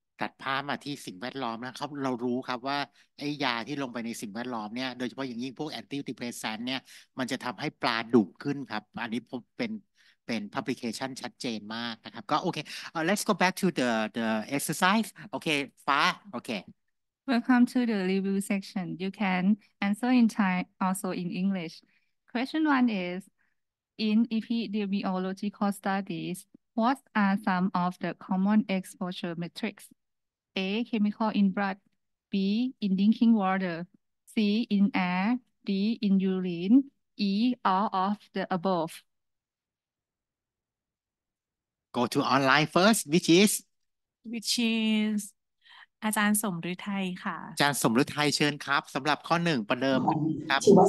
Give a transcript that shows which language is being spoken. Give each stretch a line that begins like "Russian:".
Thai: ตัดภาพมาที่สิ่งแวดล้อมนะครับเรารู้ครับว่าไอ้ยาที่ลงไปในสิ่งแวดล้อมเนี่ยโดยเฉพาะอย่างยิ่งพวกแอนตี้ดิเพรสแซนต์เนี่ยมันจะทําให้ปลาดุขึ้นครับอันนี้ผมเป็น publication ชัดเจนมากนะครับก็โอเค
English: let's go back to the exercise
Thai: โอเคฟ้าโอเค
English: Welcome to the review section. You can answer in Thai, also in English. Question one is, in epidemiological studies, what are some of the common exposure metrics? A, chemical in blood, B, in drinking water, C, in air, D, in urine, E, all of the above. Go to online first, which is...
Thai: อาจารย์สมฤทัยค่ะ อาจารย์สมฤทัยเชิญครับสำหรับข้อหนึ่งประเดิมครับ